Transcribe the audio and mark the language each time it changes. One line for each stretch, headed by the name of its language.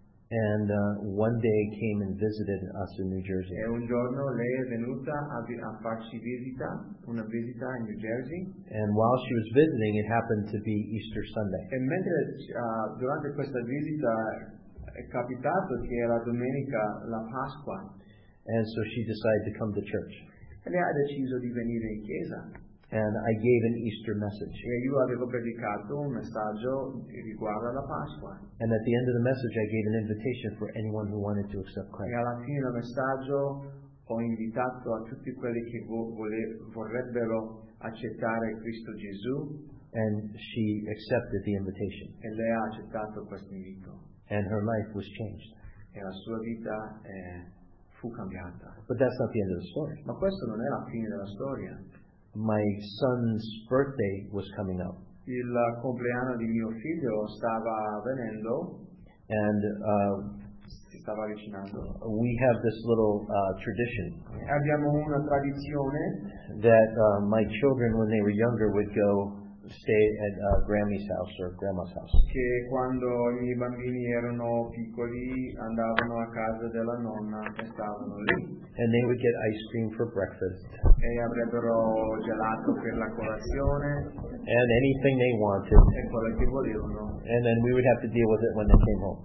English: And one day came and visited us in New Jersey.
Italian: E un giorno lei è venuta a farci visita, una visita in New Jersey.
English: And while she was visiting, it happened to be Easter Sunday.
Italian: E mentre durante questa visita è capitato che era domenica la Pasqua.
English: And so she decided to come to church.
Italian: E lei ha deciso di venire in chiesa.
English: And I gave an Easter message.
Italian: E io avevo predicato un messaggio riguardo alla Pasqua.
English: And at the end of the message, I gave an invitation for anyone who wanted to accept Christ.
Italian: E alla fine del messaggio ho invitato a tutti quelli che vorrebbero accettare Cristo Gesù.
English: And she accepted the invitation.
Italian: E lei ha accettato questo invito.
English: And her life was changed.
Italian: E la sua vita fu cambiata.
English: But that's not the end of the story.
Italian: Ma questo non è la fine della storia.
English: My son's birthday was coming up.
Italian: Il compleanno di mio figlio stava venendo.
English: And
Italian: si stava avvicinando.
English: We have this little tradition.
Italian: Abbiamo una tradizione.
English: That my children, when they were younger, would go stay at Grammy's house or Grandma's house.
Italian: Che quando i miei bambini erano piccoli andavano a casa della nonna e stavano lì.
English: And they would get ice cream for breakfast.
Italian: E avrebbero gelato per la colazione.
English: And anything they wanted.
Italian: E quello che volevano.
English: And then we would have to deal with it when they came home.